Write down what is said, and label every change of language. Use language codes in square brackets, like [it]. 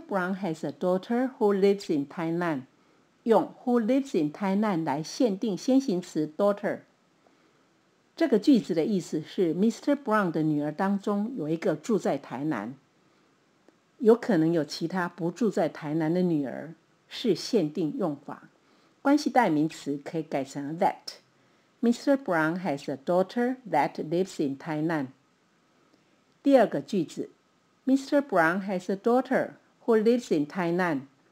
[en] Brown has a daughter who lives in Thailand, 用 who lives in Thailand [zh] 来限定先行词 [en] daughter。 [zh] 这个句子的意思是 Mr. Brown 的女儿当中有一个住在台南。有可能有其他不住在台南的女儿，是限定用法。关系代名词可以改成 that。Mr. [en] Brown has a daughter that lives in Thailand。 [zh] 第二个句子 ,Mr. [en] Brown has a daughter who lives in Thailand。